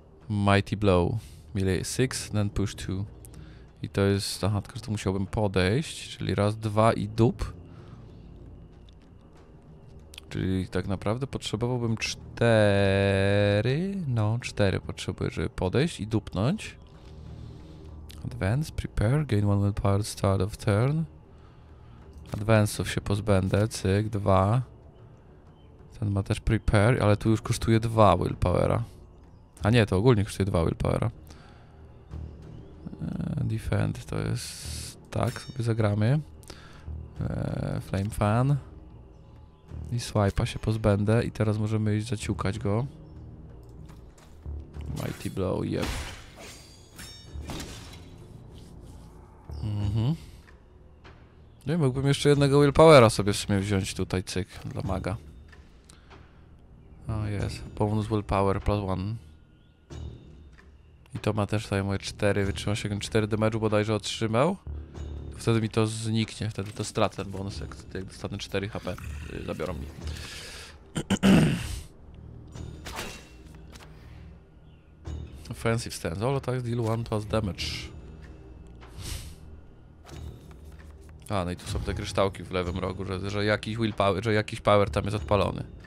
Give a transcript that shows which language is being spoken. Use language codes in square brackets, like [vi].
[en] Mighty Blow. Melee 6, then push 2. [pl] I to jest, aha, tylko tu musiałbym podejść, czyli raz, dwa i dup. Czyli tak naprawdę potrzebowałbym 4. No, 4 potrzebuję, żeby podejść i dupnąć. [en] Advance, prepare, gain one with power, start of turn. [pl] Advance'ów się pozbędę, cyk, 2. Ten ma też prepare, ale tu już kosztuje 2 willpowera. A nie, to ogólnie kosztuje 2 willpowera. Defend to jest... Tak, sobie zagramy. Flame Fan. I swipe'a się pozbędę i teraz możemy iść zaciukać go. [en] Mighty Blow, yep. [pl] No i mógłbym jeszcze jednego willpowera sobie w sumie wziąć tutaj, cyk, dla maga. O, jest. [en] Bonus willpower, plus one. [pl] I to ma też tutaj moje 4, wytrzymał się, 4 damage'u bodajże otrzymał. Wtedy mi to zniknie, wtedy to stracę ten bonus, jak dostanę 4 HP, zabiorą mi. [en] Offensive stance, all attacks deal 1 plus damage. [pl] A, no i tu są te kryształki w lewym rogu, że jakiś willpower, że jakiś power tam jest odpalony.